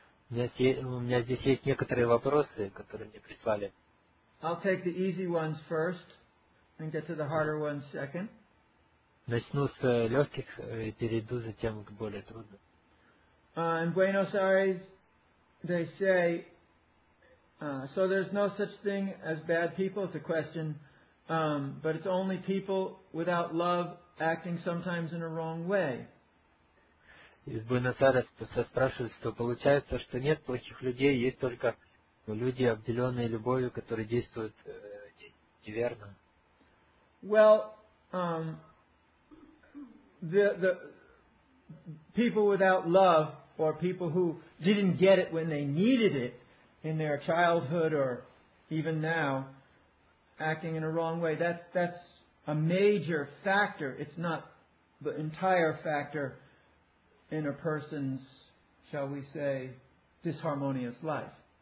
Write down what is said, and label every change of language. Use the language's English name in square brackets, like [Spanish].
[Russian] У меня здесь есть некоторые вопросы, которые мне прислали. [English] I'll take the easy ones first and get to the harder ones second. [Russian] Начну с легких и перейду затем к более трудным. [English] In Buenos Aires, they say, so there's no such thing as bad people, it's a question, but it's only people without love acting sometimes in a wrong way. [Russian] Из Буэнос-Айреса спрашивают, что получается, что нет плохих людей, есть только люди, обделенные любовью, которые действуют неверно. [English] Well, the people without love, or people who didn't get it when they needed it in their childhood or even now, acting in a wrong way. That's a major factor. It's not the entire factor in a person's, shall we say, disharmonious life.